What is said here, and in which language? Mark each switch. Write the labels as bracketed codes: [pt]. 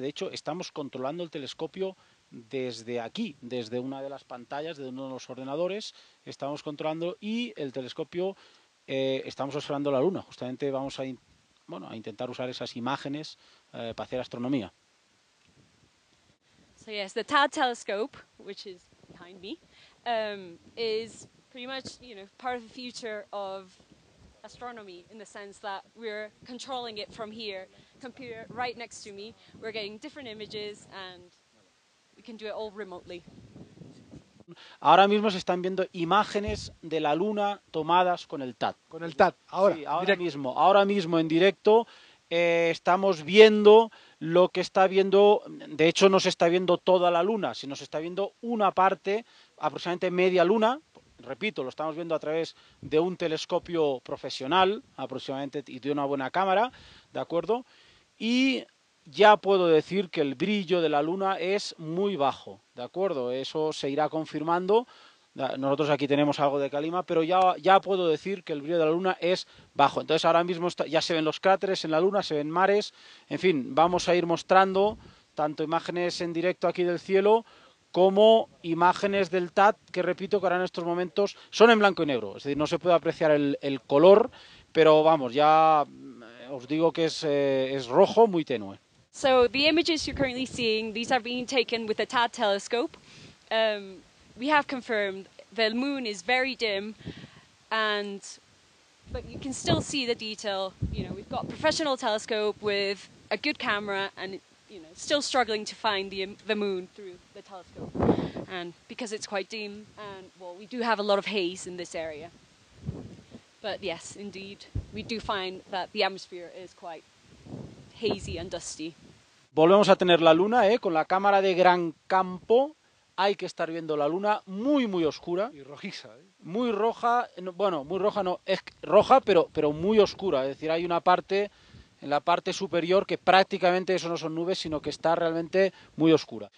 [es] De hecho, estamos controlando el telescopio desde aquí, desde una de las pantallas, desde uno de los ordenadores, estamos controlando, y el telescopio estamos observando la Luna. Justamente vamos a, bueno, a intentar usar esas imágenes para hacer astronomía. [en] So yes, the TAD telescope, which is behind me, is pretty much, you know, part of the future of astronomy in the sense that we're controlling it from here, computer right next to me. We're getting different images and we can do it all remotely. [es] Ahora mismo se están viendo imágenes de la Luna tomadas con el TAD. Con el TAD, ahora. Sí, ahora mismo en directo estamos viendo lo que está viendo, de hecho no se está viendo toda la Luna, sino se está viendo una parte, aproximadamente media Luna, repito, lo estamos viendo a través de un telescopio profesional, aproximadamente, y de una buena cámara, ¿de acuerdo? Y ya puedo decir que el brillo de la Luna es muy bajo, ¿de acuerdo? Eso se irá confirmando. Nosotros aquí tenemos algo de calima, pero ya puedo decir que el brillo de la Luna es bajo. Entonces, ahora mismo ya se ven los cráteres en la Luna, se ven mares. En fin, vamos a ir mostrando tanto imágenes en directo aquí del cielo como imágenes del TAD, que repito que ahora en estos momentos son en blanco y negro. Es decir, no se puede apreciar el color, pero vamos, ya os digo que es rojo, muy tenue. [en] So the images you're currently seeing, these are being taken with the TAD telescope. We have confirmed the moon is very dim, but you can still see the detail. You know, we've got a professional telescope with a good camera, and you know, still struggling to find the moon through the telescope, and because it's quite dim, and well, we do have a lot of haze in this area. But yes, indeed, we do find that the atmosphere is quite hazy and dusty. [es] Volvemos a tener la Luna, con la cámara de gran campo. Hay que estar viendo la Luna muy, muy oscura. Y rojiza, Muy roja, no, bueno, muy roja no, es roja, pero muy oscura. Es decir, hay una parte, en la parte superior, que prácticamente eso no son nubes, sino que está realmente muy oscura.